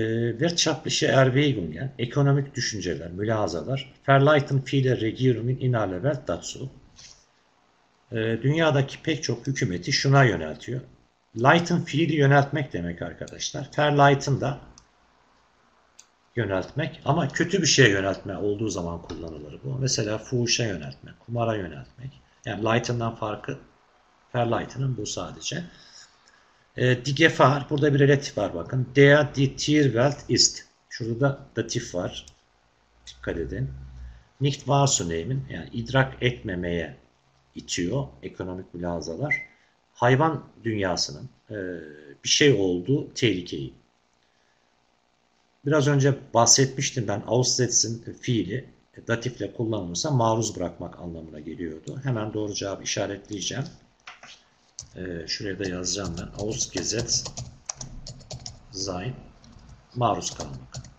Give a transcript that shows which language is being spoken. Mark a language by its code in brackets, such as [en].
[de] Wirtschaftliche Erwägungen, [tr] ekonomik düşünceler, mülahazalar, [de] Verleiten viele Regierungen innerhalb dazu. [tr] Dünyadaki pek çok hükümeti şuna yöneltiyor. Leiten fiili yöneltmek demek arkadaşlar. Verleiten da yöneltmek ama kötü bir şeye yöneltme olduğu zaman kullanılır bu. Mesela fuhuşa yöneltmek, kumara yöneltmek. Yani Leiten'dan farkı Verleiten'in bu sadece. Die Gefahr, burada bir relatif var bakın. [de] Der, die Tierwelt ist. [tr] Şurada da datif var. Dikkat edin. [de] Nicht wahrzunehmen, [tr] yani idrak etmemeye itiyor ekonomik mülahazalar. Hayvan dünyasının bir şey olduğu tehlikeyi. Biraz önce bahsetmiştim ben aussetzen fiili datifle kullanılırsa maruz bırakmak anlamına geliyordu. Hemen doğru cevabı işaretleyeceğim. Şuraya da yazacağım ben. Ausgesetzt sein, maruz kalmak.